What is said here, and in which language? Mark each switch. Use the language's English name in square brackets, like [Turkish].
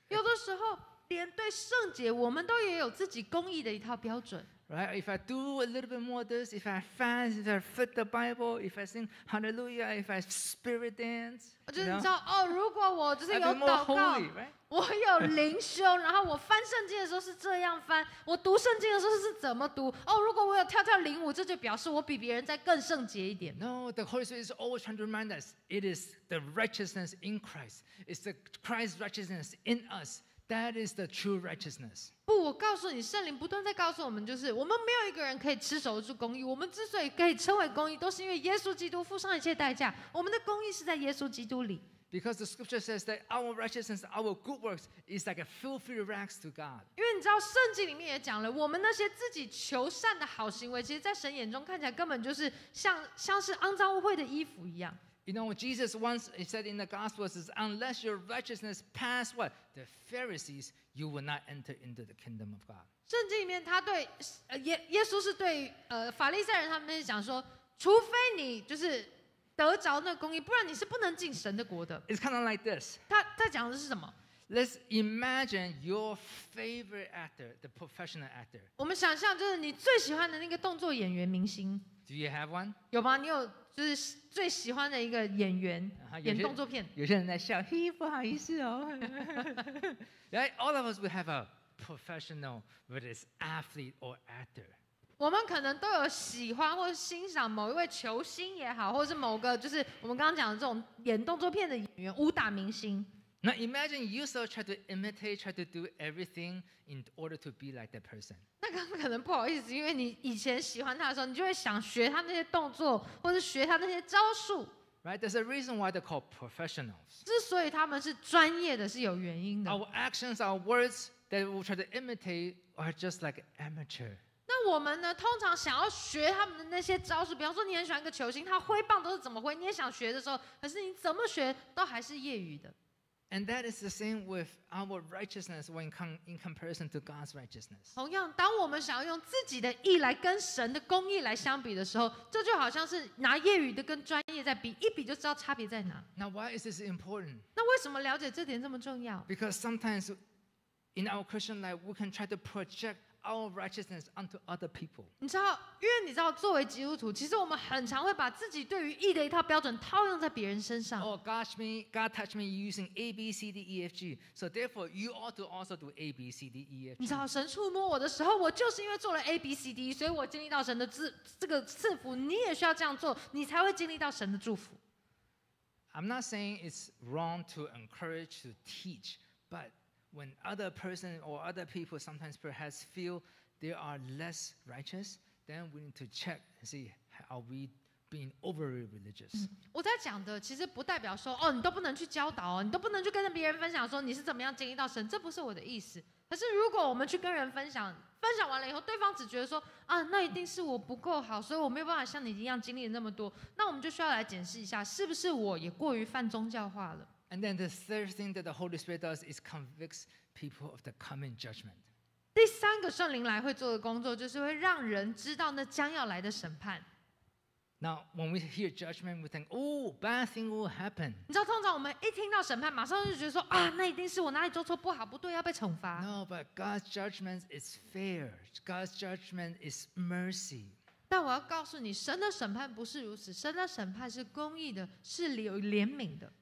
[Chinese] 有的时候。连对圣洁，我们都也有自己公义的一套标准。 [English] Right? If I do a little bit more of this, if I fast, if I fit the Bible, if I sing Hallelujah, if I spirit dance, you know? [Chinese] 就是你知道哦，如果我就是有祷告， [English] I'd be more holy, right? [Chinese] 我有灵修，然后我翻圣经的时候是这样翻，我读圣经的时候是怎么读？哦，如果我有跳跳灵舞，这就表示我比别人再更圣洁一点。 [English] No, the Holy Spirit is always trying to remind us it is the righteousness in Christ, it's the Christ's righteousness in us. That is the true righteousness. [Chinese] 不，我告诉你，圣灵不断在告诉我们，就是我们没有一个人可以持守住公义。我们之所以可以称为公义，都是因为耶稣基督付上一切代价。我们的公义是在耶稣基督里。 [English] Because the scripture says that our righteousness, our good works, is like a filthy rags to God. [Chinese] 因为你知道，圣经里面也讲了，我们那些自己求善的好行为，其实在神眼中看起来根本就是像是肮脏污秽的衣服一样。 [English] You know, Jesus once he said in the Gospels, unless your righteousness pass what? The Pharisees, you will not enter into the kingdom of God. [Chinese] 圣经里面他对耶稣是对法利赛人他们那些讲说，除非你就是得着那公义，不然你是不能进神的国的。 [English] It's kind of like this. [Chinese] 他讲的是什么？ [English] Let's imagine your favorite actor, the professional actor. [Chinese] 我们想象就是你最喜欢的那个动作演员明星。 [English] Do you have one? [Chinese] 有吗？你有？就是最喜欢的一个演员演动作片，有些人在笑，嘿，不好意思哦。 [English] Right, all of us we have a professional, whether it's athlete or actor. [Chinese] 我们可能都有喜欢或欣赏某一位球星也好，或是某个就是我们刚刚讲的这种演动作片的演员、武打明星。 [English] Now imagine you so try to imitate, try to do everything in order to be like that person. [Chinese] 那刚可能不好意思，因为你以前喜欢他的时候，你就会想学他那些动作，或者学他那些招数。 [English] Right? There's a reason why they're called professionals. [Chinese] 之所以他们是专业的，是有原因的。 [English] Our actions, our words that we try to imitate are just like amateur. [Chinese] 那我们呢？通常想要学他们的那些招数，比方说你很喜欢一个球星，他挥棒都是怎么挥，你也想学的时候，可是你怎么学都还是业余的。 [English] And that is the same with our righteousness when in comparison to God's righteousness. [Chinese] 同样，当我们想要用自己的义来跟神的公义来相比的时候，这就好像是拿业余的跟专业在比，一比就知道差别在哪。 [English] Now, why is this important? [Chinese] 那为什么了解这点这么重要？ [English] Because sometimes in our Christian life, we can try to project our righteousness unto other people. [Chinese] 你知道，因为你知道，作为基督徒，其实我们很常会把自己对于义的一套标准套用在别人身上。 [English] Oh, gosh, me, God touched me using A, B, C, D, E, F, G. So therefore, you ought to also do A, B, C, D, E, F, G. [Chinese] 你知道，神触摸我的时候，我就是因为做了 A, B, C, D， 所以我经历到神的这个赐福。你也需要这样做，你才会经历到神的祝福。 [English] I'm not saying it's wrong to encourage to teach, but when other person or other people sometimes perhaps feel they are less righteous, then we need to check and see, are we being overly religious? [Chinese] 我在讲的其实不代表说，哦，你都不能去教导，你都不能去跟别人分享说你是怎么样经历到神，这不是我的意思。可是如果我们去跟人分享，分享完了以后，对方只觉得说，啊，那一定是我不够好，所以我没有办法像你一样经历那么多，那我们就需要来检视一下，是不是我也过于泛宗教化了。 [English] And then the third thing that the Holy Spirit does is convicts people of the coming judgment. [Chinese] 第三个圣灵来会做的工作就是会让人知道那将要来的审判。 [English] Now, when we hear judgment, we think, oh, bad thing will happen. [Chinese] 你知道通常我们一听到审判马上就觉得说，啊，那一定是我哪里做错不好，不对，要被惩罚。 [English] No, but God's judgment is fair. God's judgment is mercy. [Chinese] 但我要告诉你，神的审判不是如此，神的审判是公义的，是有怜悯的。